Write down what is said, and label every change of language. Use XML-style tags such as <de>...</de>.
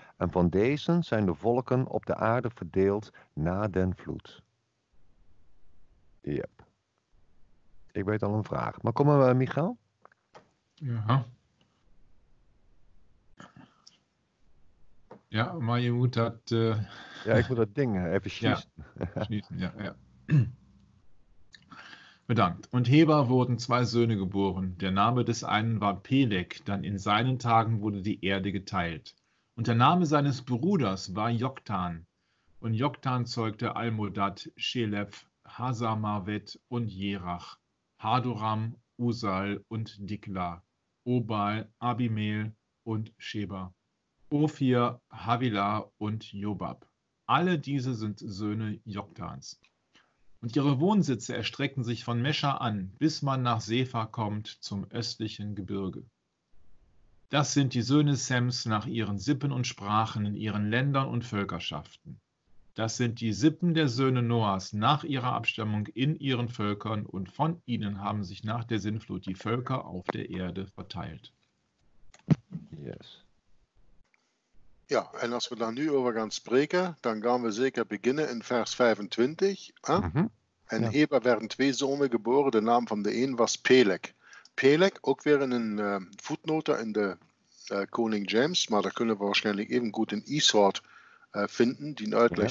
<nl>En van deze zijn de volken op de aarde verdeeld na den vloed. Yep. Ik weet al een vraag. Maar kom maar bij Michael. Ja. Ja, maar je moet dat... Ja, ik moet dat ding even schieten. Ja, schieten, ja, ja. Bedankt.</nl> <de>Und Heber wurden zwei Söhne geboren. Der Name des einen war Peleg, dann in seinen Tagen wurde die Erde geteilt. Und der Name seines Bruders war Joktan. Und Joktan zeugte Almodad, Shelef, Hazarmavet und Jerach, Hadoram, Usal und Dikla, Obal, Abimel und Sheba, Ophir, Havilah und Jobab. Alle diese sind Söhne Joktans. Und ihre Wohnsitze erstrecken sich von Mescha an, bis man nach Sepha kommt zum östlichen Gebirge. Das sind die Söhne Sems nach ihren Sippen und Sprachen in ihren Ländern und Völkerschaften. Das sind die Sippen der Söhne Noahs nach ihrer Abstammung in ihren Völkern und von ihnen haben sich nach der Sintflut die Völker auf der Erde verteilt.</de> <en>Yes.</en> <nl>Ja, en als we dan nu over gaan spreken, dan gaan we zeker beginnen in vers 25. Hè? Mm-hmm. En ja. Heber werden twee zonen geboren, de naam van de een was Peleg. Peleg, ook weer in een footnote in de Koning James, maar dat kunnen we waarschijnlijk even goed in Isoort vinden, die uitleg ja.</nl>